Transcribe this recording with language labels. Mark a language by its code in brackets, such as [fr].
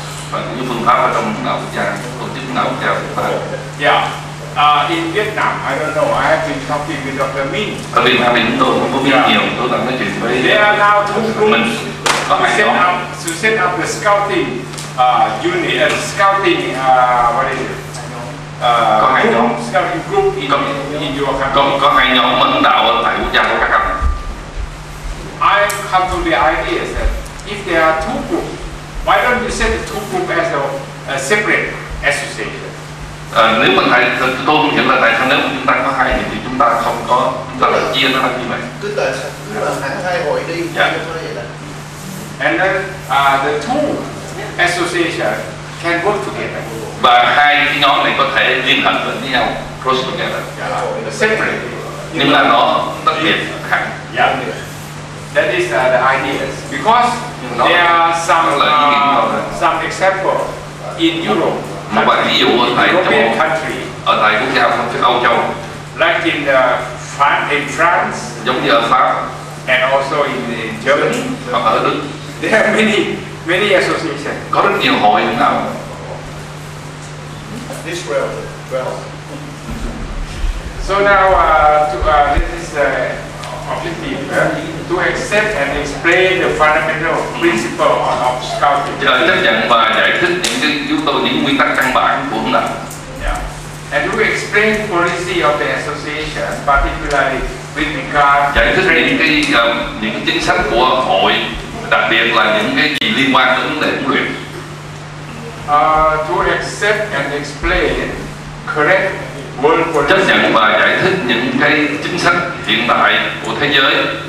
[vi] và những phương pháp ở trong lãnh đạo quốc gia tổ chức lãnh đạo quốc gia chúng ta. [en] In Vietnam, I don't know. I have been talking with Dr. Minh. [vi] Ở Việt Nam mình tôi không có biết nhiều. Tôi đang nói chuyện với. [en] There are now two groups to set up the scouting unit and scouting what is it? [vi] Có hai nhóm [en] scouting group in có, in your country. [vi] Có hai nhóm lãnh đạo ở tại quốc gia của các anh. [en] I come to the idea that if there are two groups, why don't you set the two groups as a a separate association. [vi] Nếu mà thầy, tôi không hiểu là tại sao nếu chúng ta có hai thì chúng ta không có, chúng ta lại chia nó ra như vậy. Cứ là hai hội đi. [en] And then the two associations can work together. [vi] Và hai cái nhóm này có thể liên hệ với nhau, [en] cross together. Yeah. Separately. [vi] Nhưng mà nó đặc biệt khác. [en] That is the ideas. Because there are some example in Europe. [vi] Một vài ví dụ ở tại [en] European country, [vi] ở tại quốc gia phía Âu Châu. [en] Like in the France. [vi] Giống như ở Pháp. [en] And also in Germany. [vi] Hoặc ở Đức. [en] There are many associations. [vi] Có rất nhiều hội như nào. [en] Israel. Well. So now this is objective. To accept and explain the fundamental principle of scouting. [vi] Giờ chấp nhận và giải thích những yếu tố, những nguyên tắc căn bản của nó. [en] Yeah. And to explain policy of the association, particularly with regard. [vi] Giải thích những cái chính sách của hội, đặc biệt là những cái gì liên quan đến vấn đề huấn luyện. [en] To accept and explain correct. [vi] Chấp nhận và giải thích những cái chính sách hiện tại của thế giới.